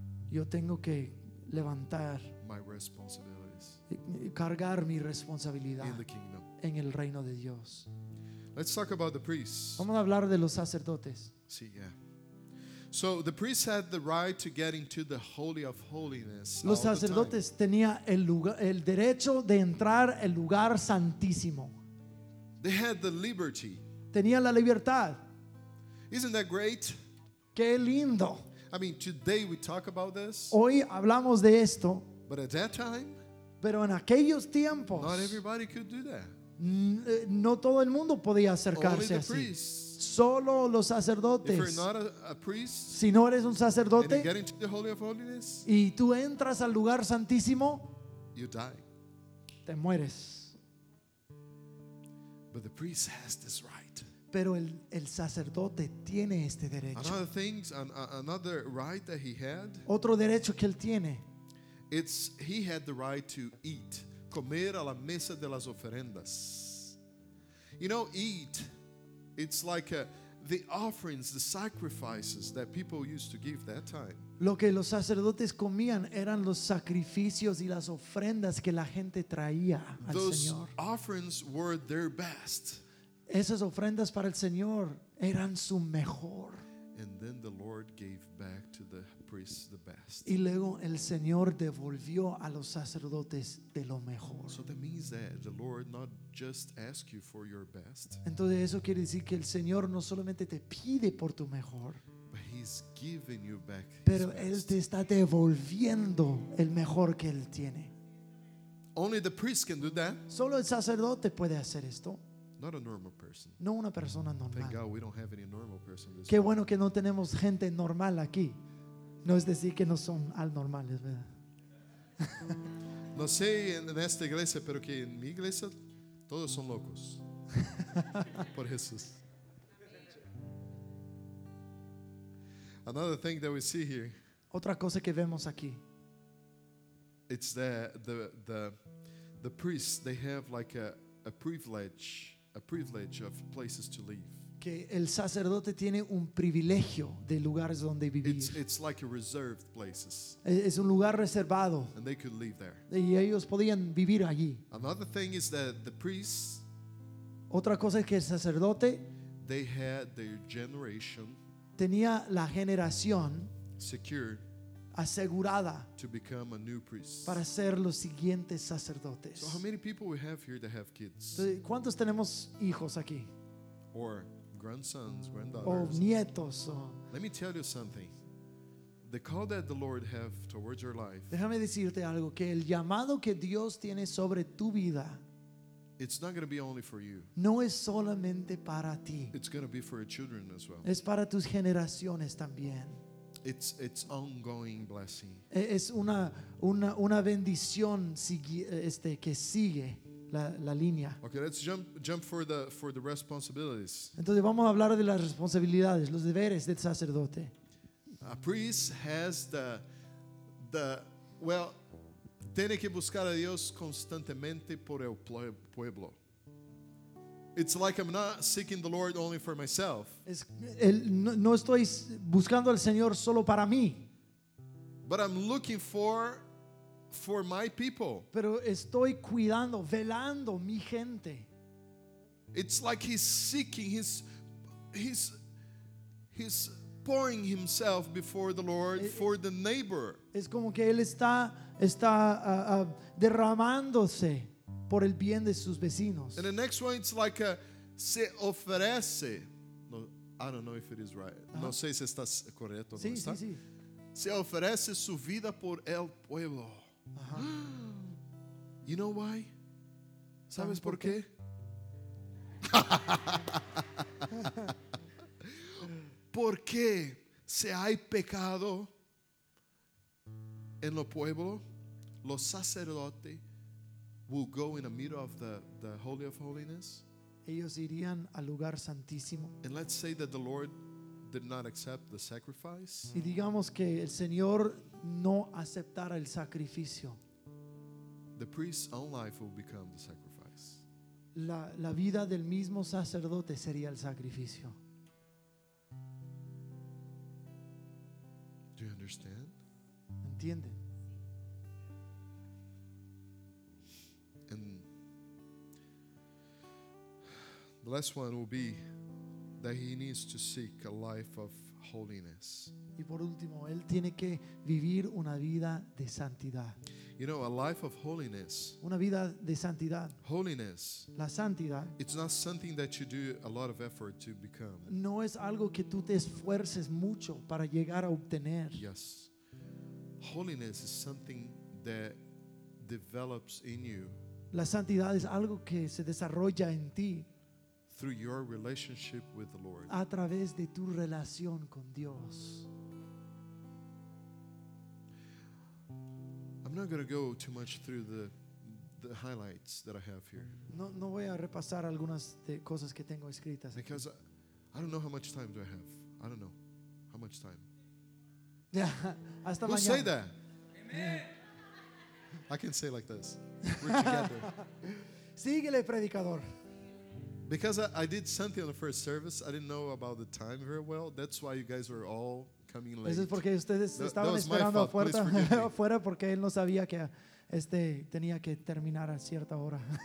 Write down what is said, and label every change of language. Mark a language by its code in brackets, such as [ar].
[es] Yo tengo que levantar [en] my responsibilities. [es] Cargar mi responsabilidad [en] in the kingdom. [es] En el reino de Dios. [en] Let's talk about the priests. [es] Vamos a hablar de los sacerdotes. Sí, yeah. [en] So the priests had the right to get into the holy of holiness. [es] Los sacerdotes tenían el derecho de entrar al lugar santísimo. [en] They had the liberty. [es] Tenían la libertad. [en] Isn't that great? [es] Qué lindo. [en] I mean, today we talk about this. [es] Hoy hablamos de esto. [en] But at that time. [es] Pero en aquellos tiempos. [en] Not everybody could do that. [es] No todo el mundo podía acercarse así. [en] Only the priests. [es] Solo los sacerdotes. [en] If you're not a priest, [es] si no eres un sacerdote [en] and you get into the Holy of Holiness, [es] y tú entras al lugar santísimo, [en] you die. [es] Te mueres. [en] But the priest has this right. [es] Pero el sacerdote tiene este derecho. [en] Another things, another right that he had, [es] otro derecho que él tiene, [en] it's he had the right to eat [es] comer a la mesa de las ofrendas. [en] You know, eat, it's like the offerings, the sacrifices that people used to give that time. [es] Lo que los sacerdotes comían eran los sacrificios y las ofrendas que la gente traía al [en] Those [es] Señor. [en] Those offerings were their best. [es] Esas ofrendas para el Señor eran su mejor. [en] And then the Lord gave back to the priests the best. [es] Y luego el Señor devolvió a los sacerdotes de lo mejor. [en] So that means that the Lord not just asks you for your best. [es] Entonces eso quiere decir que el Señor no solamente te pide por tu mejor. [en] But he's giving you back his [es] Pero él [en] best. [es] Te está devolviendo el mejor que él tiene. [en] Only the priest can do that. [es] Solo el sacerdote puede hacer esto. [en] Not a normal person. [es] No una persona normal. [en] Thank God we don't have any normal person. This [es] Qué bueno que no tenemos gente normal aquí. No es decir que no son anormales, ¿verdad? No sé en esta iglesia, pero que en mi iglesia todos son locos. Por Jesús. [en] Another thing that we see here. [es] Otra cosa que vemos aquí. [en] It's the priests, they have like a privilege of places to live. [es] Que el sacerdote tiene un privilegio de lugares donde vivir. [en] It's like a reserved places. [es] Es un lugar reservado. [en] And they could live there. [es] Y ellos podían vivir allí. [en] Another thing is that the priests. [es] Otra cosa es que el sacerdote. [en] They had their generation. [es] Tenía la generación. [en] Secured. [es] Asegurada. [en] To become a new priest. [es] Para ser los siguientes sacerdotes. [en] So how many people we have here that have kids? [es] ¿Cuántos tenemos hijos aquí? [en] Or grandsons, granddaughters. [es] O nietos. O... [en] Let me tell you something. The call that the Lord have towards your life. [es] Déjame decirte algo que el llamado que Dios tiene sobre tu vida. [en] It's not going to be only for you. [es] No es solamente para ti. [en] It's going to be for your children as well. [es] Es para tus generaciones también. [en] It's ongoing blessing. [es] Es una bendición que sigue la línea. [en] Okay, let's jump for the responsibilities. [es] Entonces vamos a hablar de las responsabilidades, los deberes del sacerdote. [en] A priest has the [es] tiene que buscar a Dios constantemente por el pueblo. [en] It's like I'm not seeking the Lord only for myself. [es] No estoy buscando al Señor solo para mí. [en] But I'm looking for my people. [es] Pero estoy cuidando, velando mi gente. [en] It's like he's seeking, he's pouring himself before the Lord for the neighbor. [es] Es como que él está derramándose. Por el bien de sus vecinos. [en] And the next one, it's like [es] se ofrece. [en] No, I don't know if it is right. [es] Uh-huh. No sé si está correcto o no. Sí, está. Sí, sí. Se ofrece su vida por el pueblo. Uh-huh. [en] You know why? [es] ¿Sabes por qué? Porque si hay pecado en el pueblo, los sacerdotes. [en] Will go in the middle of the Holy of Holiness. [es] Ellos irían al lugar santísimo. [en] And let's say that the Lord did not accept the sacrifice. [es] Y digamos que el Señor no aceptara el sacrificio. [en] The priest's own life will become the sacrifice. [es] La vida del mismo sacerdote sería el sacrificio. [en] Do you understand? [es] ¿Entienden? [en] The last one will be that he needs to seek a life of holiness. [es] Y por último, él tiene que vivir una vida de santidad. [en] You know, a life of holiness. [es] Una vida de santidad. [en] Holiness. [es] La santidad. [en] It's not something that you do a lot of effort to become. [es] No es algo que tú te esfuerces mucho para llegar a obtener. [en] Yes. Holiness is something that develops in you. [es] La santidad es algo que se desarrolla en ti. [en] Through your relationship with the Lord. [es] A través de tu relación con Dios. [en] I'm not going to go too much through the highlights that I have here. [es] No voy a repasar algunas de cosas que tengo escritas. [en] Because I don't know how much time do I have. I don't know how much time. [es] Hasta mañana. [en] Who say that? Amen. I can say like this. We're together. [es] Síguele, predicador. [en] Because I did something on the first service, I didn't know about the time very well. That's why you guys were all coming late. [es] Eso es porque ustedes estaban esperando afuera, afuera porque él no sabía que este tenía que terminar a cierta hora.